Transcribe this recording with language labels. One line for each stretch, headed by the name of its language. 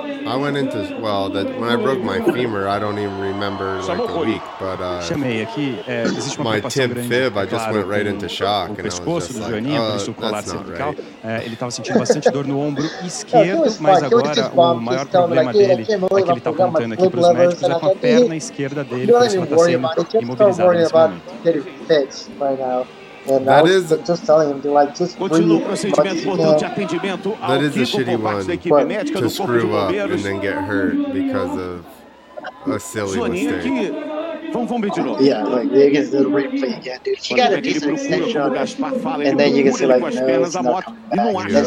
English: I went into, well, that when I broke my femur, I don't even remember like a week, but my tip fib, I just went right into shock, and I was just like, that's not right.
Portuguese: Ele tava sentindo bastante dor no ombro esquerdo, mas agora o maior problema dele é que ele tá apontando aqui pros médicos, é com a perna esquerda dele, por isso que ela tá sendo imobilizada nesse momento.
English: And that I was is just telling him to like just breathe. That is a shitty one to screw up and then get hurt because of a silly mistake. Yeah, like they get the replay again, dude. She got a decent extension, and then you can see like, no, it's not coming back.